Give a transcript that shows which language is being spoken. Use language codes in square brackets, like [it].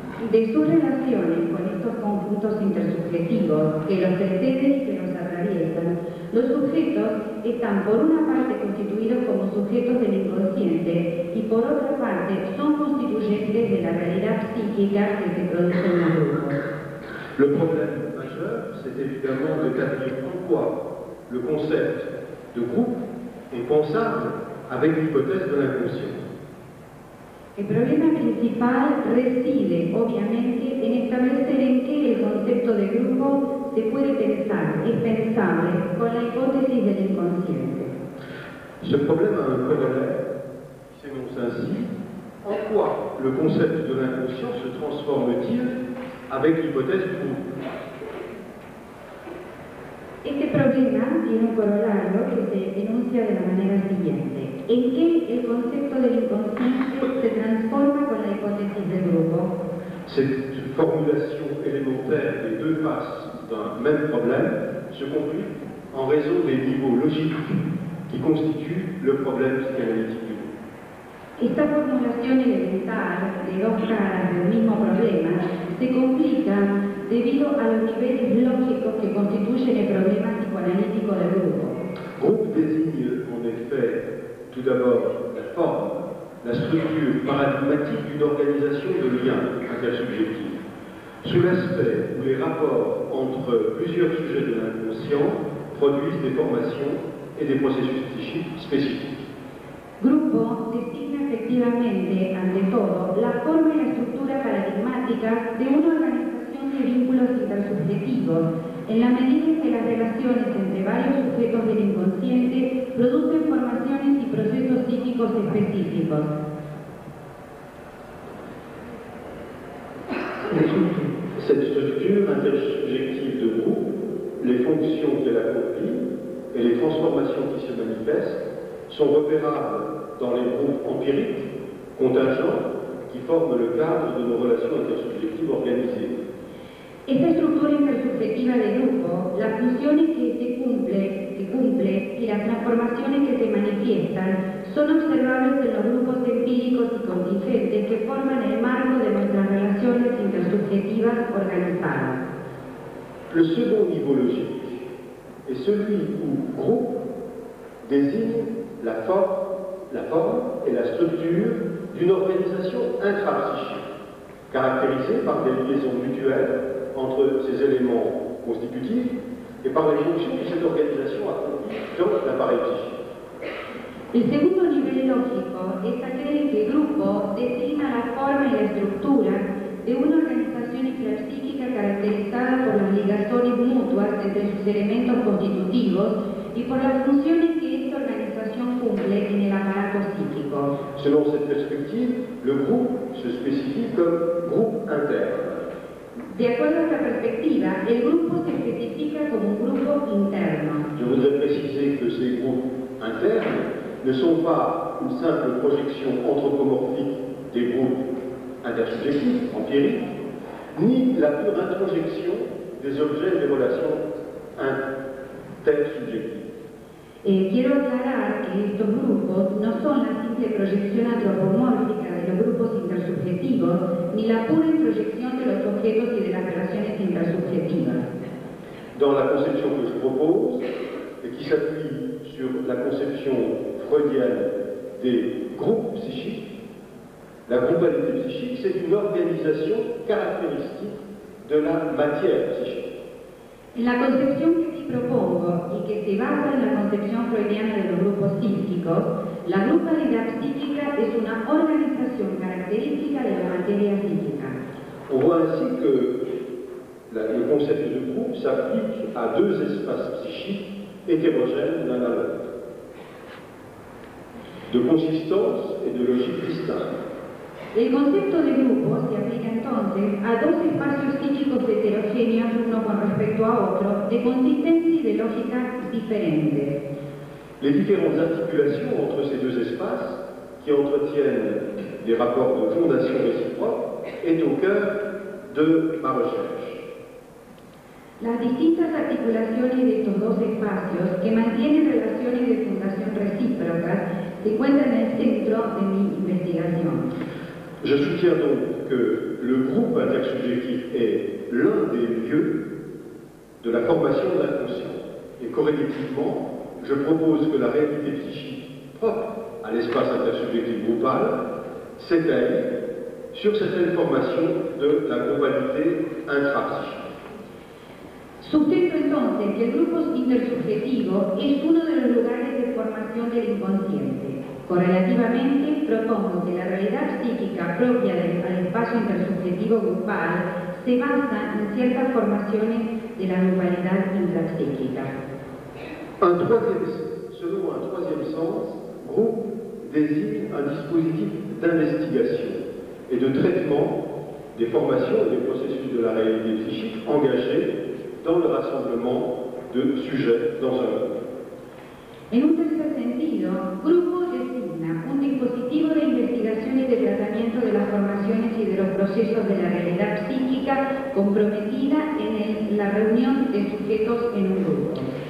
[es] De sus relaciones con estos conjuntos intersubjetivos que los preceden y que los atraviesan, los sujetos están por una parte constituidos como sujetos del inconsciente y por otra parte son constituyentes de la realidad psíquica que se produce en el grupo. [fr] Le problème majeur, c'est évidemment de établir pourquoi le concept de groupe est pensable avec l'hypothèse de l'inconscient. [es] El problema principal reside, obviamente, en establecer en qué el concepto de grupo se puede pensar, es pensable, con la hipótesis del inconsciente. [fr] Ce problème a un corollaire qui s'énonce ainsi. En quoi le concept de l'inconscient se transforme-t-il avec l'hypothèse du groupe? [es] Este problema tiene un corolario que se enuncia de la manera siguiente. ¿En qué el concepto del inconsciente se transforma con la hipótesis del grupo? [fr] Cette formulation élémentaire des deux faces d'un même problème se conduit en raison des niveaux logiques qui constituent le problème psychanalytique. [es] Esta formulación elemental de dos caras del mismo problema se complica debido a los niveles lógicos que constituyen el problema psicoanalítico del grupo. [fr] Groupe désigne, en effet, tout d'abord la forme, la structure paradigmatique d'une organisation de liens intersubjectifs, sous l'aspect où les rapports entre plusieurs sujets de l'inconscient produisent des formations et des processus psychiques spécifiques. [es] Grupo designa efectivamente, ante todo, la forma y la estructura paradigmática de una organización de vínculos intersubjetivos, en la medida en que las relaciones entre varios sujetos del inconsciente producen formaciones y procesos psíquicos específicos. [fr] Cette structure intersubjective de groupe, les fonctions qu'elle accomplit et les transformations qui se manifestent sont repérables dans les groupes empiriques, contingents, qui forment le cadre de nos relations intersubjectives organisées. [es] Esta estructura intersubjetiva de grupo, las funciones que se cumple y las transformaciones que se manifiestan son observables en los grupos empíricos y contingentes que forman el marco de nuestras relaciones intersubjetivas organizadas. [fr] Le second niveau logique est celui où groupe désigne la forme et la structure d'une organisation intra-psychique, caractérisée par des liaisons mutuelles entre ces éléments constitutifs et par les fonctions que cette organisation accomplit dans l'appareil psychique. [it] Le secondo livello logico è sapere che il gruppo designa la forma e la struttura di una organizzazione psichica. [es] justicia caracterizada por las ligaciones mutuas entre sus elementos constitutivos y por las funciones que esta organización cumple en el aparato psíquico. [fr] Selon cette perspective, le groupe se spécifie comme groupe interne. [es] De acuerdo a esta perspectiva, el grupo se especifica como un grupo interno. [fr] Je voudrais préciser que ces groupes internes ne sont pas une simple projection anthropomorphique des groupes intersubjectifs, empiriques, ni la pure introjection des objets des relations intersubjectives. [es] Quiero aclarar que estos grupos no son la simple proyección antropomórfica de los grupos intersubjetivos, ni la pura introyección de los objetos y de las relaciones intersubjetivas. [fr] Dans la conception que je propose, et qui s'appuie sur la conception freudienne des groupes psychiques, la groupalité psychique, c'est une organisation caractéristique de la matière psychique. La conception que je propose et qui se base sur la conception freudienne des groupes psychiques, la groupalité psychique est une organisation caractéristique de la matière psychique. On voit ainsi que le concept de groupe s'applique à deux espaces psychiques hétérogènes l'un à l'autre, de consistance et de logique distincte. [es] El concepto de grupo se aplica entonces a dos espacios psíquicos heterogéneos uno con respecto a otro, de consistencia y de lógica diferente. [fr] Les différentes articulations entre ces deux espaces, qui entretiennent des rapports de fondation réciproque, est au cœur de ma recherche. [es] Las distintas articulaciones de estos dos espacios, que mantienen relaciones de fundación recíproca, se encuentran en el centro de mi investigación. [fr] Je soutiens donc que le groupe intersubjectif est l'un des lieux de la formation de l'inconscient. Et corrélativement, je propose que la réalité psychique propre à l'espace intersubjectif groupal s'étale sur certaines formations de la globalité intrapsychique. [es] Sustento entonces que el grupo intersubjetivo es uno de los lugares de formación del inconsciente. Correlativamente, propongo que la realidad psíquica propia del espacio intersubjetivo grupal se basa en ciertas formaciones de la globalidad intrapsíquica. [fr] Un troisième, selon un troisième sens, groupe désigne un dispositif d'investigation et de traitement des formations et des processus de la réalité psychique engagés dans le rassemblement de sujets dans un groupe. [es] En un tercer sentido, grupo designa un dispositivo de investigación y de tratamiento de las formaciones y de los procesos de la realidad psíquica comprometida en la reunión de sujetos en un grupo.